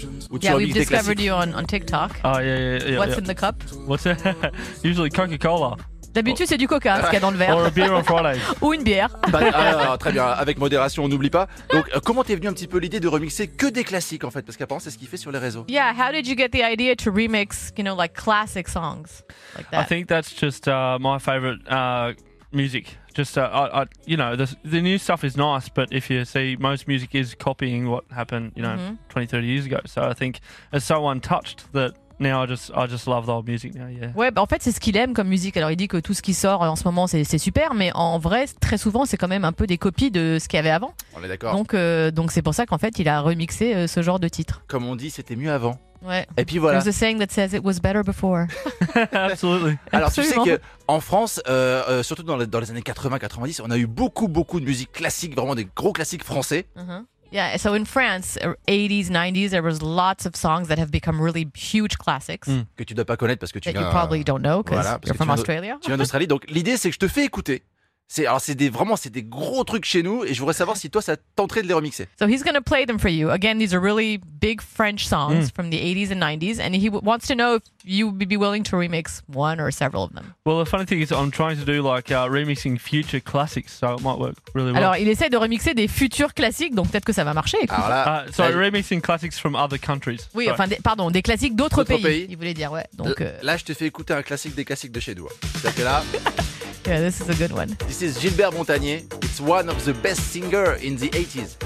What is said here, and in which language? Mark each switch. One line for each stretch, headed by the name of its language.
English: We've discovered you on TikTok. What's in the cup? What's usually Coca-Cola.
French: D'habitude, c'est du Coca, ce qu'il y a dans le verre.
English: Or a beer on Friday.
French: Ou une bière. Très bien, avec modération, on n'oublie pas. Donc, comment t'es venu un petit peu l'idée de remixer que des classiques, en fait? Parce qu'apparemment, c'est ce qu'il fait sur les réseaux.
English: Yeah, how did you get the idea to remix, you know, like classic songs? Like that? I think that's just my favorite music. Just, you know, the new stuff is nice, but if you see, most music is copying what happened, you know, 20, 30 years ago. So I think it's so untouched that... Now I just love the old music now, yeah.
French: Ouais, bah en fait, c'est ce qu'il aime comme musique. Alors, il dit que tout ce qui sort en ce moment, c'est super, mais en vrai, très souvent, c'est quand même un peu des copies de ce qu'il y avait avant. On est d'accord. Donc c'est pour ça qu'en fait, il a remixé ce genre de titre. Comme on dit, c'était mieux avant. Ouais. Et puis voilà.
English: There's a saying that says it was better before. Absolutely.
French: Alors, absolument. Tu sais qu'en France, surtout dans les années 80-90, on a eu beaucoup, beaucoup de musique classique, vraiment des gros classiques français.
English: Yeah, so in France, 80s, 90s, there was lots of songs that have become really huge classics.
French: Que tu dois pas connaître parce que tu viens...
English: That you probably don't know because you're from Australia.
French: Tu viens d'Australie, donc l'idée c'est que je te fais écouter. C'est des gros trucs chez nous et je voudrais savoir si toi ça tenterait de les remixer.
English: So he's going to play them for you. Again, these are really big French songs from the 80s and 90s and he wants to know if you would be willing to remix one or several of them. Well, the funny thing is I'm trying to do like remixing future classics, so it might work really well.
French: Alors, il essaie de remixer des futurs classiques, donc peut-être que ça va marcher.
English: Remixing classics from other countries.
French: Oui,
English: right.
French: Des classiques d'autres pays, il voulait dire, ouais. Donc là, je te fais écouter un classique des classiques de chez nous. C'est que là.
English: Yeah, this is a good one. This is Gilbert Montagnier. It's one of the best singers in the 80s.